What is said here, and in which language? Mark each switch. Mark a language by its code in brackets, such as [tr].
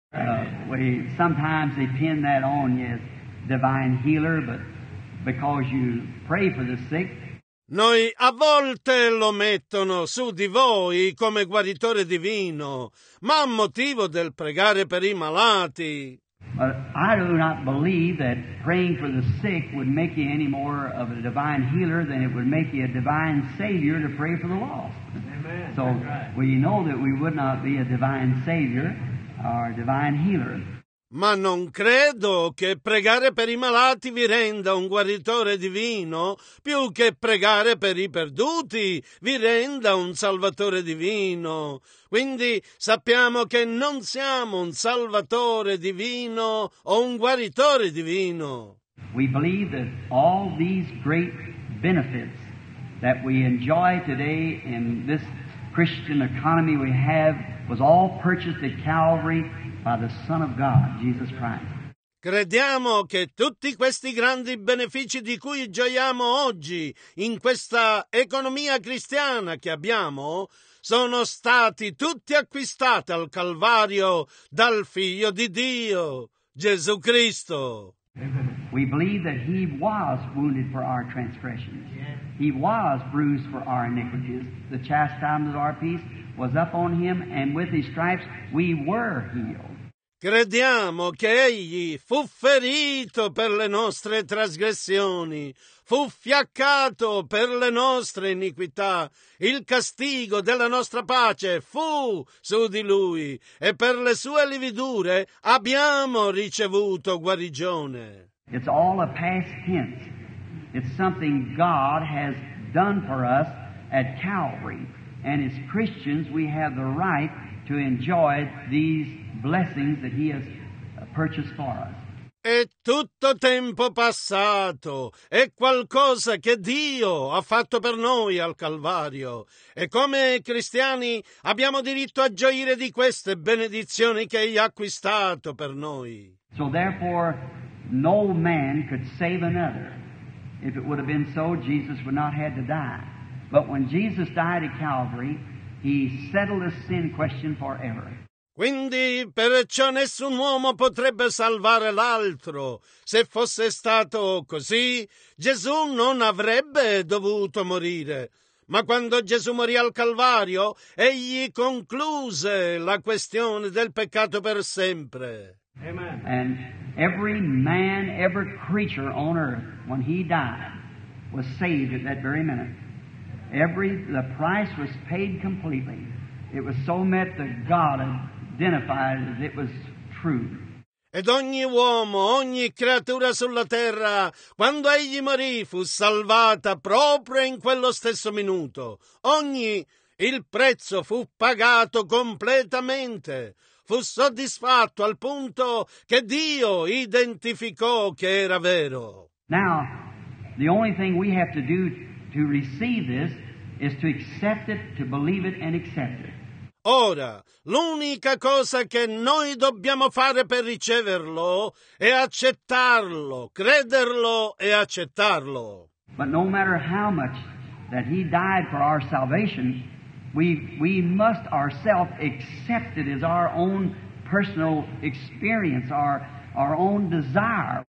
[en] Sometimes they pin that on you, divine healer, but because you pray for the sick. [it] Noi a volte lo mettono su di voi come guaritore divino, ma a motivo del pregare per i malati. [en] But I do not believe that praying for the sick would make you any more of a divine healer than it would make you a divine savior to pray for the lost. Amen. So we know that we would not be a divine savior or a divine healer. [it] Ma non credo che pregare per i malati vi renda un guaritore divino, più che pregare per i perduti vi renda un salvatore divino. Quindi sappiamo che non siamo un salvatore divino o un guaritore divino. [en] We believe that all these great benefits that we enjoy today in this Christian economy we have was all purchased at Calvary by the Son of God, Jesus Christ. [it] Crediamo che tutti questi grandi benefici di cui gioiamo oggi in questa economia cristiana che abbiamo sono stati tutti acquistati al Calvario dal Figlio di Dio, Gesù Cristo. [en] We believe that he was wounded for our transgressions. He was bruised for our iniquities. The chastisement of our peace was up on him, and with his stripes we were healed. [it] Crediamo che egli fu ferito per le nostre trasgressioni, fu fiaccato per le nostre iniquità. Il castigo della nostra pace fu su di lui, e per le sue lividure abbiamo ricevuto guarigione. [en] It's all a past tense. It's something God has done for us at Calvary. And as Christians, we have the right to enjoy these blessings that he has purchased for us. [it] È tutto tempo passato, è qualcosa che Dio ha fatto per noi al Calvario. E come cristiani abbiamo diritto a gioire di queste benedizioni che egli ha acquistato per noi. [en] So therefore, no man could save another. If it would have been so, Jesus would not have had to die. But when Jesus died at Calvary, he settled the sin question forever. [it] Quindi, perciò nessun uomo potrebbe salvare l'altro. Se fosse stato così, Gesù non avrebbe dovuto morire. Ma quando Gesù morì al Calvario, egli concluse la questione del peccato per sempre. [en] Amen. And every man, every creature on earth, when he died, was saved at that very minute. The price was paid completely. It was so met that God identified that it was true. [it] Ed ogni uomo, ogni creatura sulla terra, quando egli morì, fu salvata proprio in quello stesso minuto. Il prezzo fu pagato completamente. Fu soddisfatto al punto che Dio identificò che era vero. [en] Now, the only thing we have to do to receive this is to accept it, to believe it, and accept it. [it] Ora, l'unica cosa che noi dobbiamo fare per riceverlo è accettarlo, crederlo e accettarlo. [en] But no matter how much that he died for our salvation, we must ourselves accept it as our own personal experience, our own desire.